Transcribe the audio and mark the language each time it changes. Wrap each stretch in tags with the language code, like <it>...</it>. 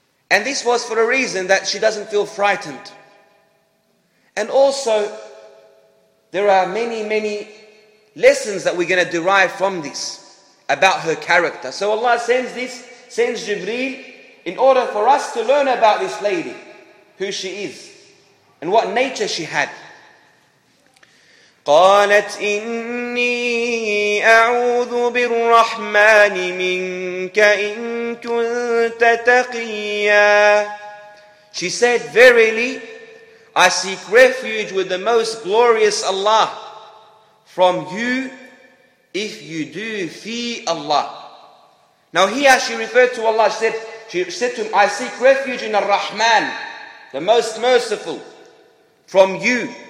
<en>And this was for a reason, that she doesn't feel frightened. And also, there are many, many lessons that we're going to derive from this about her character. So Allah sends Jibreel in order for us to learn about this lady, who she is and what nature she had.</en> <ar>قالت إني أعوذ بالرحمن منك إن كنت تقيا.</ar> <en>She said, verily, I seek refuge with the most glorious Allah from you if you do fear Allah. Now here she referred to Allah. She said to him, I seek refuge in Ar-Rahman, the most merciful, from you.</en>